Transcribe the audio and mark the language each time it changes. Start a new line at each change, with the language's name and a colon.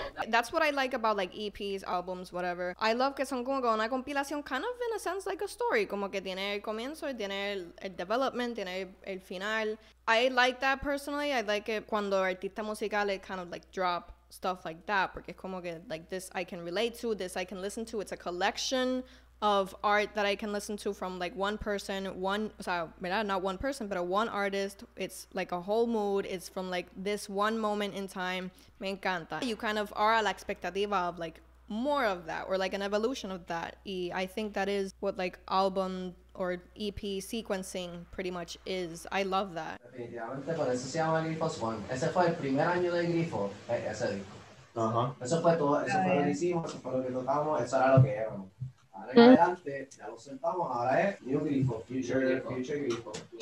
English: That's what I like about like EPs, albums, whatever. I love
Spanish: que son como una compilación,
English: kind of in a sense like a story,
Spanish: como que tiene el comienzo, tiene el development, tiene el final.
English: I like that personally. I like it
Spanish: cuando artistas musicales
English: kind of like drop stuff like that,
Spanish: porque es como que
English: like this I can relate to, this I can listen to. It's a collection of art that I can listen to from like one person, one artist. It's like a whole mood. It's from like this one moment in time.
Spanish: Me encanta.
English: You kind of are
Spanish: a la expectativa
English: of like more of that, or like an evolution of that. Y I think that is what like album or EP sequencing pretty much is. I love that.
Spanish: Definitivamente, por eso se llama Grifos One. Ese fue el primer año de Grifo, ese disco. Uh-huh. Eso fue todo, eso fue lo que hicimos, eso fue lo que tocamos, eso era lo que éramos. Ahora que adelante, ya lo sentamos, ahora es New Grifo, Future Grifo.